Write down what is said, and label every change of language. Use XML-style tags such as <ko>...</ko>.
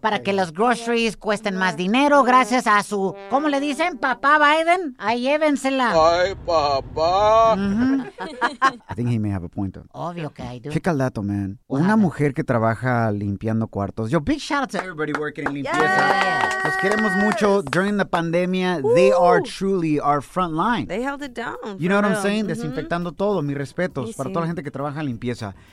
<es>Para que los groceries cuesten más dinero gracias a su, ¿cómo le dicen? Papá Biden. Ahí llévensela. Ay, papá.</es> <en>I think he may have a point though.</en> <es>Obvio que</es> <en>I do.</en> <es>Checa el dato, man. What? Una mujer que trabaja limpiando cuartos.</es> <en>Yo, big shout out to everybody working in limpieza. Yes.</en> <es>Los queremos mucho.</es> <en>During the pandemia, they are truly our front line. They held it down. You know what I'm saying?</en> <es>Desinfectando todo. Mis respetos para toda la gente que trabaja en limpieza.</es>